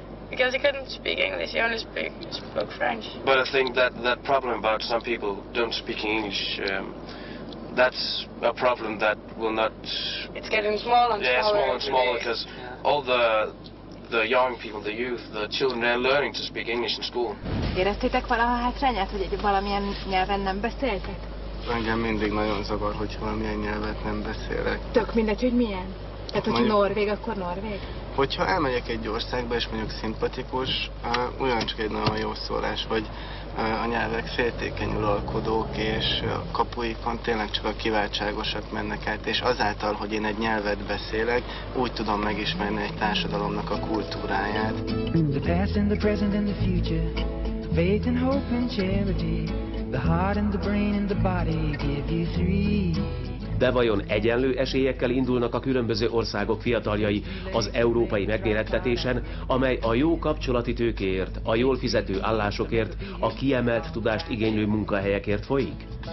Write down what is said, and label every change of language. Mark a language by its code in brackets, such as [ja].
[en] Because he couldn't speak English, he only spoke French. But I think that problem about some people don't speaking English, that's a problem that will not... It's getting smaller and smaller. Yeah, smaller and smaller, because all the young people, the youth, the children, they're learning to speak English in school. [hu] Éreztétek valaha hátrányát, hogy valamilyen nyelven nem beszéltek? Engem mindig nagyon zavar, hogy valamilyen nyelvet nem beszélek. Tök mindegy, hogy milyen? Tehát, hogyha norvég, akkor norvég? Hogyha elmegyek egy országba, és mondjuk szimpatikus, ugyancsak egy nagyon jó szólás, hogy a nyelvek féltékeny uralkodók, és a kapuikon tényleg csak a kiváltságosak mennek át, és azáltal, hogy én egy nyelvet beszélek, úgy tudom megismerni egy társadalomnak a kultúráját. [en] The past and the present and the future, faith and hope and charity, the heart and the brain and the body give you three. [hu] De vajon egyenlő esélyekkel indulnak a különböző országok fiataljai az európai megmérettetésen, amely a jó kapcsolati tőkéért, a jól fizető állásokért, a kiemelt tudást igénylő munkahelyekért folyik?